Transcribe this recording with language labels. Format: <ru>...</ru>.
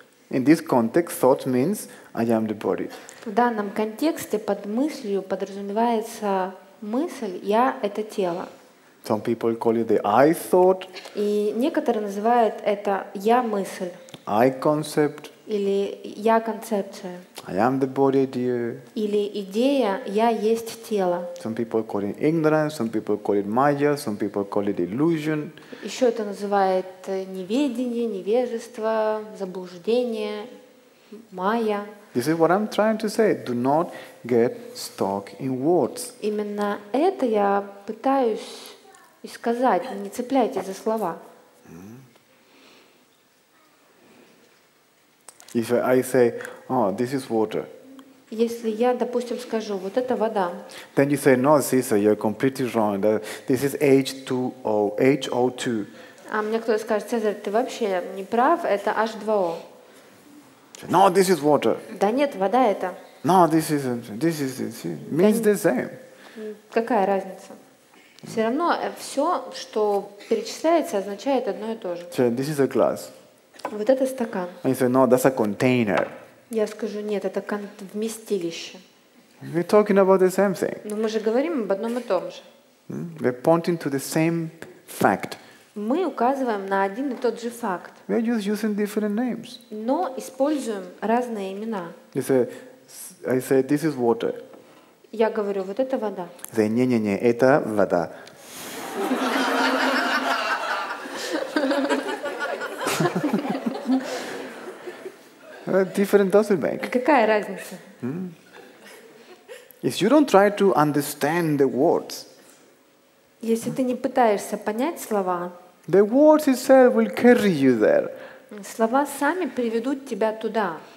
<en>In this context, thought means I am the body.</en> <ru>В данном контексте под мыслью подразумевается мысль «я – это тело».</ru> <en>Some people call it the I thought.</en> <ru>И некоторые называют это «я – мысль».</ru> <en>I concept.</en> <ru>Или «я – концепция».</ru> <en>I am the body idea.</en> <ru>Или идея «я – есть тело».</ru> <en>Some people call it ignorance, some people call it maya, some people call it illusion.</en> <ru>Еще это называют неведение, невежество, заблуждение, майя.</ru> <en>This is what I'm trying to say. Do not get stuck in words.</en> <ru>Именно это я пытаюсь сказать. Не цепляйтесь за слова.</ru> <en>If I say, oh, this is water.</en> <ru>Если я, допустим, скажу, вот это вода.</ru> <en>Then you say, no, sister, you're completely wrong. This is H2O. H-O-2.</en> <ru>А мне кто-то скажет, Цезарь, ты вообще не прав, это H2O.</ru> <en>No, this is water.</en> <ru>Да нет, вода это.</ru> <en>No, this isn't. This means the same.</en> <ru>Какая разница? Все равно все, что перечисляется, означает одно и то же.</ru> <en>So this is a glass.</en> <ru>Вот это стакан.</ru> <en>And you say, no, that's a container.</en> <ru>Я скажу, нет, это вместилище.</ru> <en>We're talking about the same thing.</en> <ru>Но мы же говорим об одном и том же.</ru> <en>We're pointing to the same fact.</en> <ru>Мы указываем на один и тот же факт.</ru> <en>We are just using different names.</en> <ru>Но используем разные имена.</ru> <en>You say, I say, this is water.</en> <ru>Я говорю, вот это вода.</ru> <en>Say,</en> <ru>не-не-не, это вода.</ru> <en>Different doesn't make.</en> <ru>Какая разница?</ru> <en>If you don't try to understand the words.</en> <ru>Если ты не пытаешься понять слова.</ru> <en>The words itself will carry you there.</en> <ru>Слова сами приведут тебя туда.</ru>